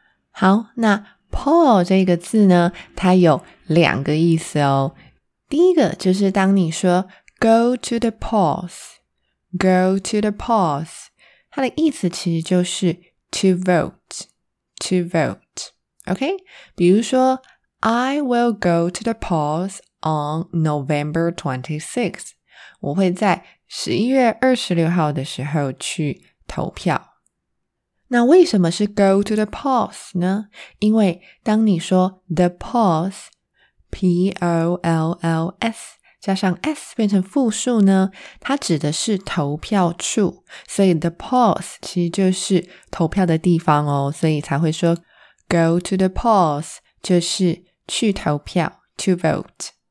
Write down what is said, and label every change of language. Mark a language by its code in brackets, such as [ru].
[zh] 好，那 poll 这个字呢，它有两个意思哦。第一个就是当你说 [en] go to the polls go to the polls， [zh] 它的意思其实就是 [en] to vote, to vote, OK? [zh] 比如说 [en] I will go to the polls on November 26th, [zh] 我会在11月26号的时候去投票。那为什么是 [en] go to the polls [zh] 呢？因为当你说 the polls, P-O-L-L-S,加上 s 变成复数呢，它指的是投票处，所以 the polls 其实就是投票的地方哦，所以才会说 [en] go to the polls [zh] 就是去投票 [en] to vote。